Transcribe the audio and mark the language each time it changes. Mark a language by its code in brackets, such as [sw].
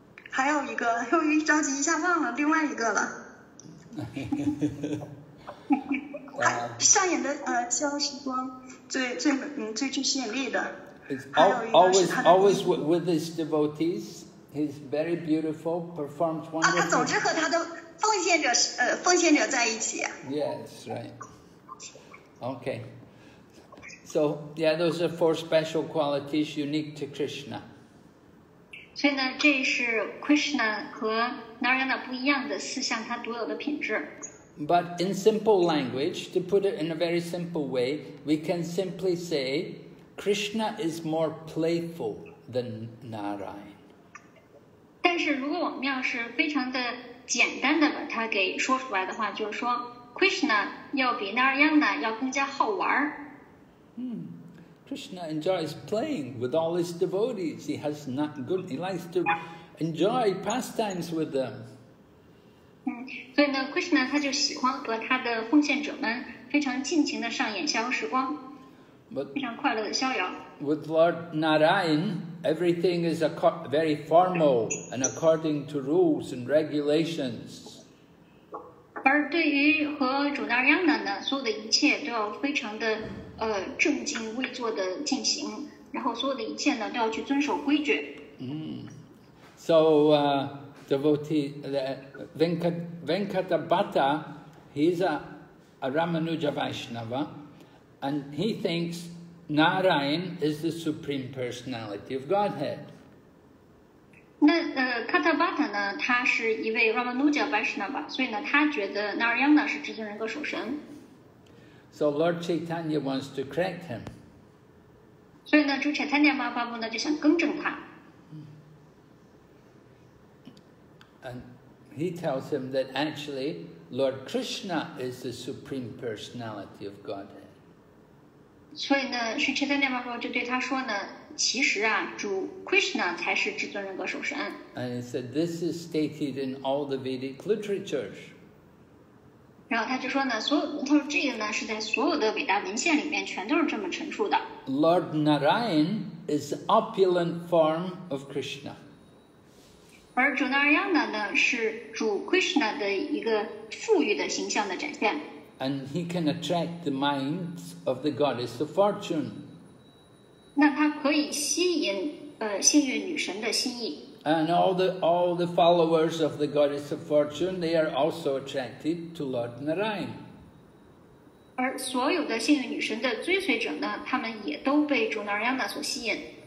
[zh] 还有一个，我一着急一下忘了另外一个了。上演的逍遥时光最具吸引力的。 [en] Always with his devotees, he's very beautiful, performs wonderful. [zh] 他总是和他的奉献者在一起。 [en] Yes, right. Okay. So, yeah, those are four special qualities unique to Krishna. [zh] 所以呢，这是 Krishna 和 Narayana 不一样的四项他独有的品质。 [en] But in simple language, to put it in a very simple way, we can simply say Krishna is more playful than Narayan. [zh] 但是如果我们要是非常的简单的把它给说出来的话，就是说 Krishna 要比 Narayana 要更加好玩。 [en] Krishna enjoys playing with all his devotees. He likes to enjoy pastimes with them. [zh] 所以呢 ，Krishna 他就喜欢和他的奉献者们非常尽情的上演逍遥时光， [en] but, [zh] 非常快乐的逍遥。 [en] With Lord Narayan, everything is very formal and according to rules and regulations. [zh] 而对于和主那亚那呢，所有的一切都要非常的正襟危坐的进行，然后所有的一切呢都要去遵守规矩。 [en] 嗯 ，So devotee Venkatabhata, he's a Ramanuja Vaishnava, and he thinks Narayan is the supreme personality of Godhead. [zh] 那Katabhata 呢，他是一位 Ramanuja Vaishnava， 所以呢，他觉得 Narayan 呢是至尊人格属神。 [en] So Lord Chaitanya wants to correct him. [zh] 所以呢，主 Chaitanya Mahaprabhu 呢就想更正他。 [en] And he tells him that actually Lord Krishna is the supreme personality of Godhead. [zh] 所以呢，是 Chaitanya Mahaprabhu 就对他说呢，其实啊，主 Krishna 才是至尊人格首身。 [en] And he said this is stated in all the Vedic literatures. [zh] 然后他就说呢，所有他说这个呢是在所有的伟大文献里面全都是这么陈述的。 [en] Lord Narayan is the opulent form of Krishna. [zh] 而主那亚那呢，是主 Krishna 的一个富裕的形象的展现。 [en] And he can attract the minds of the goddess of fortune. [zh] 那他可以吸引幸运女神的心意。 [en] And all the followers of the goddess of fortune, they are also attracted to Lord Narayan. [zh] 而所有的幸运女神的追随者呢，他们也都被主那亚那所吸引。